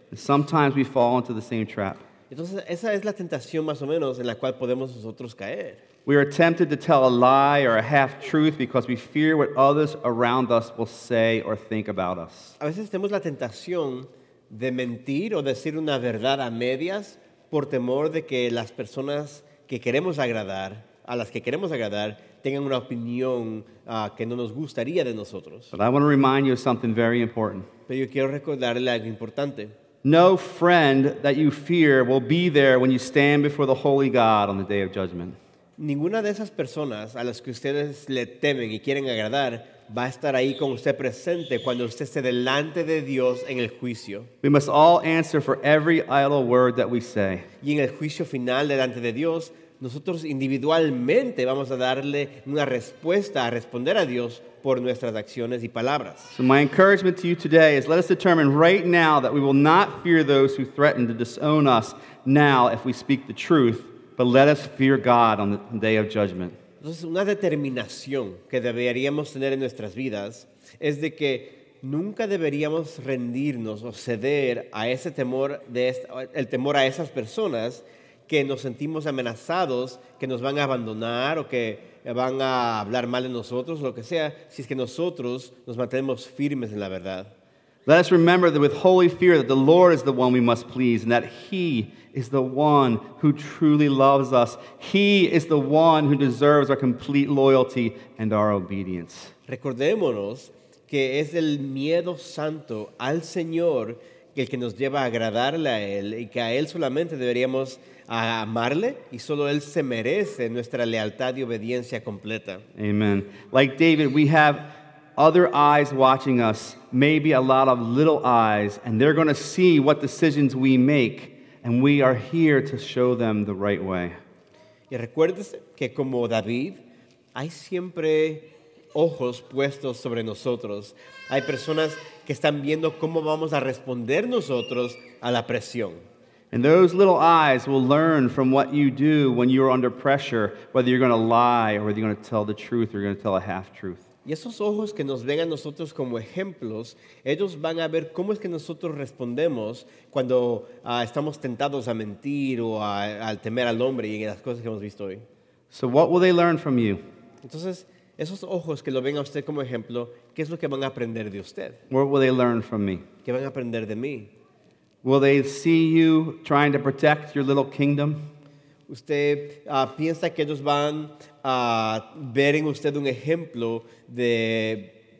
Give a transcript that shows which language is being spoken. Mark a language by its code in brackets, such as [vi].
[en] And sometimes we fall into the same trap. [es] Entonces, esa es la tentación más o menos en la cual podemos nosotros caer. [en] We are tempted to tell a lie or a half-truth because we fear what others around us will say or think about us. [es] A veces tenemos la tentación de mentir o decir una verdad a medias por temor de que las personas que queremos agradar a las que queremos agradar tengan una opinión que no nos gustaría de nosotros. [en] But I want to remind you of something very important. [es] Pero yo quiero recordarle algo importante. [en] No friend that you fear will be there when you stand before the holy God on the day of judgment. [es] Ninguna de esas personas a las que ustedes le temen y quieren agradar va a estar ahí con usted presente cuando usted esté delante de Dios en el juicio. [en] We must all answer for every idle word that we say. [es] Y en el juicio final delante de Dios, nosotros individualmente vamos a darle una respuesta, a responder a Dios por nuestras acciones y palabras. [en] So my encouragement to you today is let us determine right now that we will not fear those who threaten to disown us now if we speak the truth, but let us fear God on the day of judgment. [es] Entonces, una determinación que deberíamos tener en nuestras vidas es de que nunca deberíamos rendirnos o ceder a ese temor, el temor a esas personas que nos sentimos amenazados, que nos van a abandonar o que van a hablar mal de nosotros, lo que sea, si es que nosotros nos mantenemos firmes en la verdad. [en] Let us remember that with holy fear that the Lord is the one we must please and that He is the one who truly loves us. He is the one who deserves our complete loyalty and our obedience. [es] Recordémonos que es el miedo santo al Señor el que nos lleva a agradarle a Él y que a Él solamente deberíamos amarle y solo Él se merece nuestra lealtad y obediencia completa. [en] Amen. Like David, we have other eyes watching us, maybe a lot of little eyes, and they're going to see what decisions we make, and we are here to show them the right way. [es] Y recuérdese que como David, hay siempre ojos puestos sobre nosotros. Hay personas que están viendo cómo vamos a responder nosotros a la presión. [en] And those little eyes will learn from what you do when you're under pressure, whether you're going to lie or whether you're going to tell the truth or you're going to tell a half-truth. [es] Y esos ojos que nos ven a nosotros como ejemplos, ellos van a ver cómo es que nosotros respondemos cuando estamos tentados a mentir o a temer al hombre y en las cosas que hemos visto hoy. [en] So what will they learn from you? [es] Entonces, esos ojos que lo ven a usted como ejemplo, ¿qué es lo que van a aprender de usted? [en] What will they learn from me? [es] ¿Qué van a aprender de mí? [en] Will they see you trying to protect your little kingdom? [es] ¿Usted piensa que ellos van a ver en usted un ejemplo de